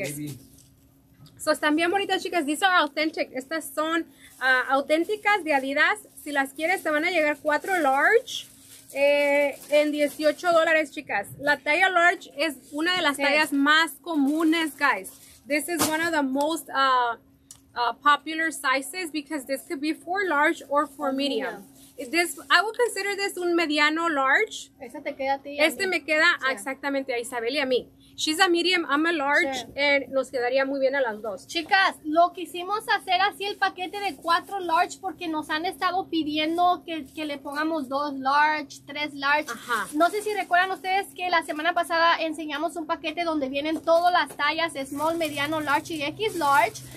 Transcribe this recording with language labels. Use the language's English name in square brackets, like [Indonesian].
[Spanish] guys. So, están bien bonitas, chicas. [English] These are authentic. [Spanish] Estas son auténticas de Adidas. Si las quieres, te van a llegar 4 large en $18, chicas. La talla large es una de las tallas más comunes, guys. [English] This is one of the most popular sizes because this could be for large or for medium. This, I would consider this [Spanish] un mediano large. Esa te queda a ti. Me queda exactamente a Isabel y a mí. [English] She's a medium, I'm a large, and [Spanish] nos quedaría muy bien a las dos. Chicas, lo quisimos hacer así el paquete de 4 large porque nos han estado pidiendo que le pongamos 2 large, 3 large. Ajá. No sé si recuerdan ustedes que la semana pasada enseñamos un paquete donde vienen todas las tallas, small, mediano, large y X large.